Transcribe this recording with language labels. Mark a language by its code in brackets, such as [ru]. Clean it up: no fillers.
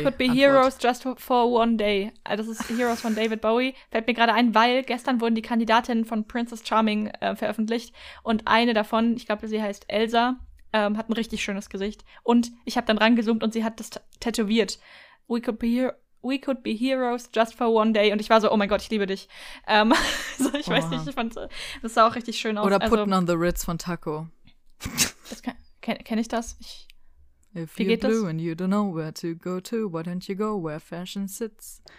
[en] We could be [de] Antwort. [en] Heroes just for one day. [de] Das ist Heroes von David Bowie. Fällt mir gerade ein, weil gestern wurden die Kandidatinnen von Princess Charming veröffentlicht und eine davon, ich glaube, sie heißt Elsa, hat ein richtig schönes Gesicht und ich habe dann rangezoomt und sie hat das tätowiert. [en] We could be heroes just for one day. [de] Und ich war so, oh mein Gott, ich liebe dich. Weiß nicht, ich fand, das sah auch richtig schön aus. Oder Putting on the Ritz von Taco. Kenn ich das? [en] If you're blue and you don't know where to go to, why don't you go where fashion sits?